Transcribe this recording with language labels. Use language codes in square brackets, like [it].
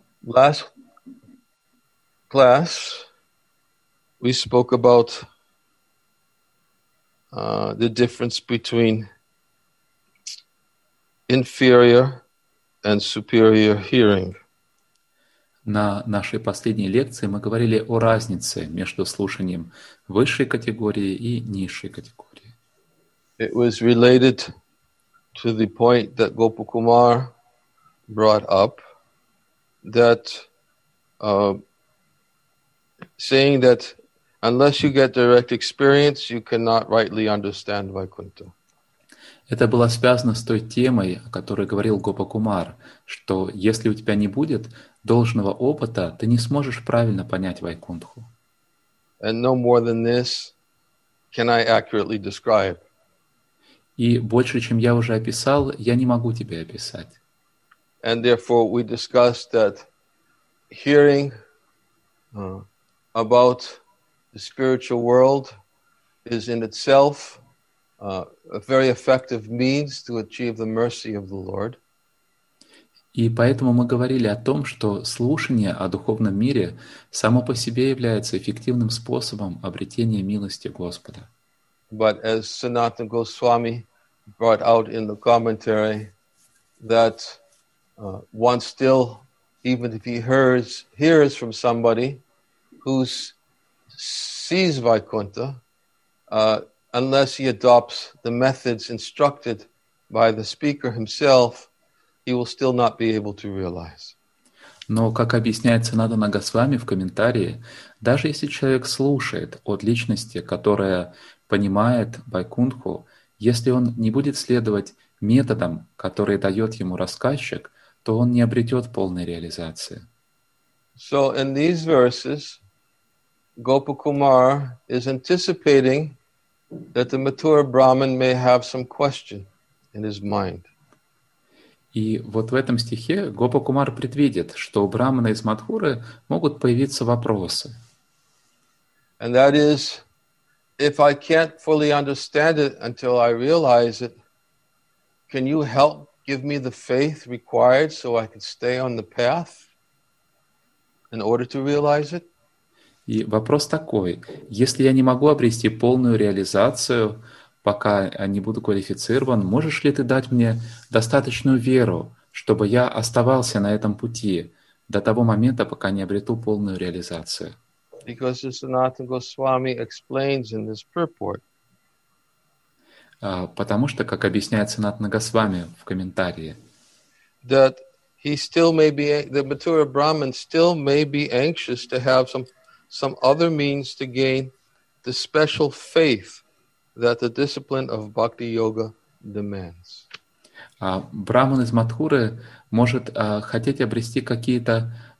[en] Last class, we spoke about the difference between inferior and superior hearing. [ru] На нашей последней лекции мы говорили о разнице между слушанием высшей категории и низшей категории. [en] It was related to the point that Gopakumar brought up. That saying that unless you get direct experience, you cannot rightly understand Vaikuntha. [ru] Это было связано с той темой, о которой говорил Гопакумар, что если у тебя не будет должного опыта, ты не сможешь правильно понять Вайкунтху. [en] And no more than this can I accurately describe. [ru] И больше, чем я уже описал, я не могу тебе описать. [en] And therefore, we discussed that hearing about the spiritual world is in itself a very effective means to achieve the mercy of the Lord. [ru] И поэтому мы говорили о том, что слушание о духовном мире само по себе является эффективным способом обретения милости Господа. [en] But as Sanatana Goswami brought out in the commentary, that one still even if he hears from somebody who sees Vaikuntha, unless he adopts the methods instructed by the speaker himself, he will still not be able to realize. [ru] Но, как объясняет Санатана Госвами в комментарии, даже если человек слушает от личности, которая понимает Вайкунтху, если он не будет следовать методам, которые дает ему рассказчик, то он не обретет полной реализации. [en] So in these verses, Gopakumar is anticipating that the mature Brahmin may have some question in his mind. [ru] И вот в этом стихе Гопакумар предвидит, что у Брахмана из Мадхуры могут появиться вопросы. [en] And that is, if I can't fully understand it until I realize it, can you help give me the faith required so I can stay on the path in order to realize it? [ru] И вопрос такой: если я не могу обрести полную реализацию, пока не буду квалифицирован, можешь ли ты дать мне достаточную веру, чтобы я оставался на этом пути до того момента, пока не обрету полную реализацию? [en] Because the Sanatana Goswami explains in this purport. [ru] Потому что, как объясняет Санатана Госвами в комментарии, [en] that he still may be, the Mathura Brahman still may be anxious to have some other means to gain the special faith that the discipline of bhakti yoga demands. [ru] Брахман из Мадхуры может хотеть обрести какие-то...